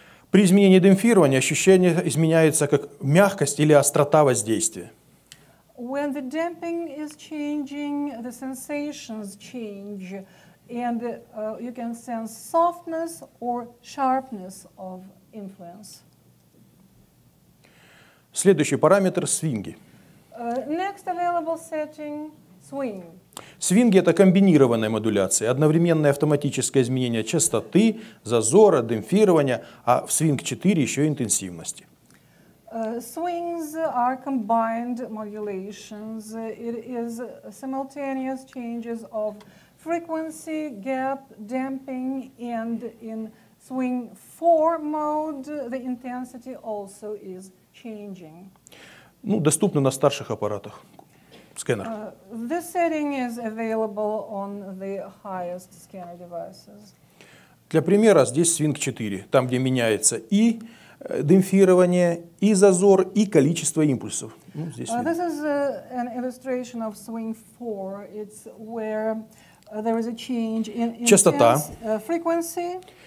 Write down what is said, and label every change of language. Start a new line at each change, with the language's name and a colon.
Russian: При изменении демпфирования ощущение изменяется как мягкость или острота воздействия.
English: When the damping is changing, the sensations change, and you can sense softness or sharpness of influence.
Russian: Следующий параметр – свинги.
English: Next available setting – swing.
Russian: Свинги – это комбинированная модуляция, одновременное автоматическое изменение частоты, зазора, демпфирования, а в Swing 4 еще интенсивности.
English: Swings are combined modulations. It is simultaneous changes of frequency, gap, damping, and in Swing 4 mode the intensity also is changing.
Russian: Ну, доступно на старших аппаратах. Сканер.
English: This setting is available on the highest scanner devices.
Russian: Для примера, здесь Swing 4, там, где меняется и демпфирование, и зазор, и количество импульсов. Ну, здесь
English: this is an illustration of Swing 4. It's where there is a change in
Russian: частота,
English: frequency,